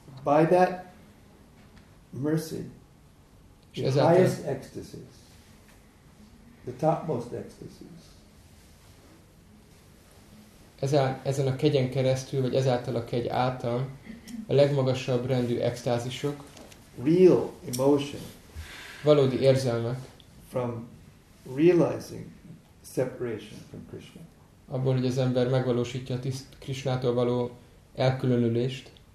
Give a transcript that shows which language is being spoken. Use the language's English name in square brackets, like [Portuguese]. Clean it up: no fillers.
[English] By that mercy, The highest ecstasies, the topmost ecstasies. [Hungarian] Ezen a kegyen keresztül, vagy ezáltal a kegy által a legmagasabb rendű extázisok, [English] real emotion, [Hungarian] valódi érzelmek, [English] from realizing separation from Krishna. [Hungarian] Abból, hogy az ember megvalósítja a tiszt Krishnától való elkülönülést.